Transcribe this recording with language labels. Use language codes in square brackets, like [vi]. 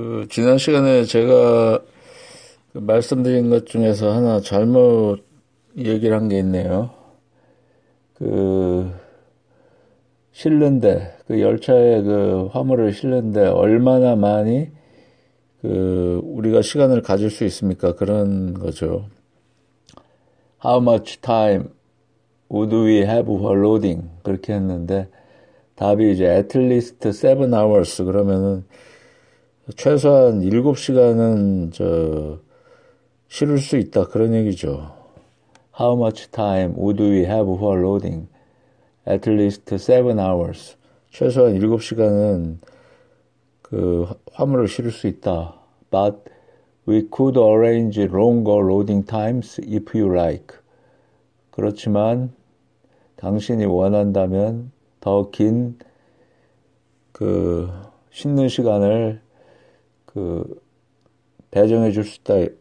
[ko] 지난 시간에 제가 말씀드린 것 중에서 하나 잘못 얘기를 한 게 있네요. 실는데, 그 열차에 그 화물을 실는데 얼마나 많이 우리가 시간을 가질 수 있습니까? 그런 거죠. [en] How much time would we have for loading? [ko] 그렇게 했는데 답이 이제 [en] at least 7 hours. [ko] 그러면은 최소한 7시간은 실을 수 있다. 그런 얘기죠. [en] How much time would we have for loading? At least 7 hours. [ko] 최소한 7시간은 화물을 실을 수 있다. [en] But we could arrange longer loading times if you like. [ko] 그렇지만 당신이 원한다면 더 긴 싣는 시간을 배정해 줄 수 있다.